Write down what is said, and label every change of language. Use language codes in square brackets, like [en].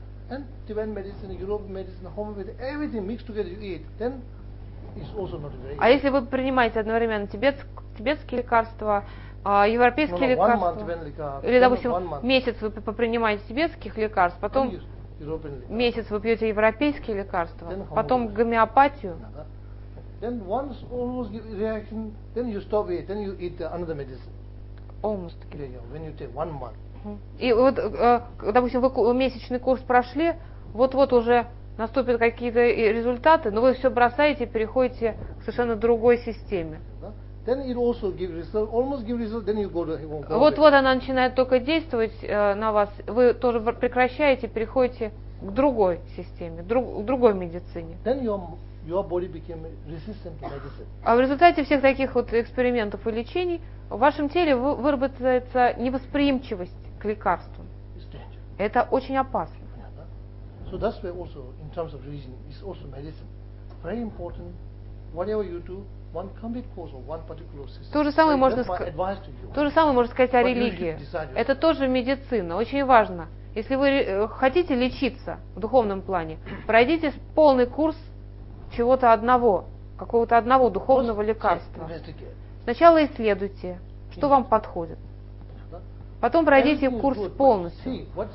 [en] And Tibetan medicine, European medicine, homeopathy, everything mixed together you eat, then it's also not very. [ru] А если вы принимаете одновременно тибетские лекарства, европейские лекарства, или допустим месяц вы попринимаете тибетских лекарств, потом месяц вы пьете европейские лекарства, потом гомеопатию. [en] Then once almost give reaction, then you stop it, then you eat another medicine. Almost. Yeah. When you take 1 month. [ru] И вот, допустим, вы месячный курс прошли, вот-вот уже наступят какие-то результаты, но вы все бросаете и переходите к совершенно другой системе. [en] Then it also give result, almost give result, then you go to. [ru] Вот-вот она начинает только действовать на вас, вы тоже прекращаете, переходите к другой системе, к другой медицине. [en] Then your body became resistant to medicine. [ru] А в результате всех таких вот экспериментов и лечений в вашем теле выработается невосприимчивость к лекарствам. Это очень опасно. [en] So that's why also in terms of religion is also medicine. Very important. Whatever you do, one complete course of one particular system. [ru] То же самое можно сказать. То же самое можно сказать о религии. Это тоже медицина. Очень важно. Если вы хотите лечиться в духовном плане, пройдите полный курс чего-то одного, какого-то одного духовного лекарства. Сначала исследуйте, что вам подходит. Потом пройдите курс полностью.